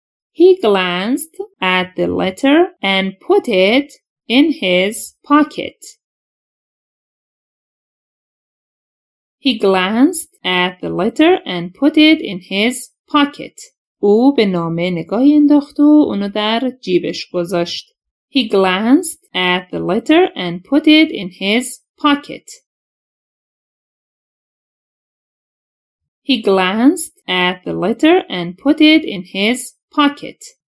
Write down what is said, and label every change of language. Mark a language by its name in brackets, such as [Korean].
[English] He glanced at the letter and put it in his pocket. He glanced at the letter and put it in his pocket. [Persian] او به نامه نگاهی انداخت و اونو در جیبش گذاشت. [English] He glanced at the letter and put it in his pocket. He glanced at the letter and put it in his pocket.